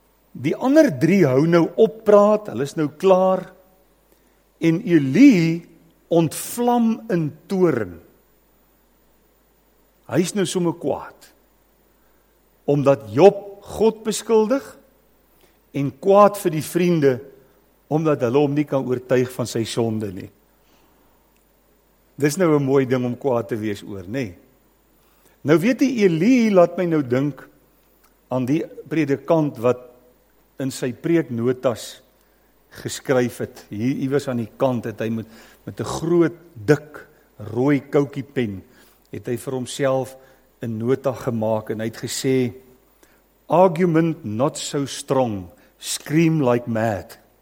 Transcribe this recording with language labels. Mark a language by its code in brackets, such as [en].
[af] Die ander drie hou nou op praat, hulle is nou klaar, en Elie ontvlam in toorn. Hy is nou sommer kwaad, omdat Job God beskuldig, en kwaad vir die vriende, omdat hulle hom nie kan oortuig van sy sonde nie. Dis nou een mooi ding om kwaad te wees oor, nie? Nou weet die Elie, laat my nou dink aan die predikant wat in sy preeknotas geskryf het, hier iewers aan die kant het hy met 'n groot, dik, rooi koukiepen, het hy vir homself 'n nota gemaak en hy het gesê, [en] argument not so strong, scream like mad.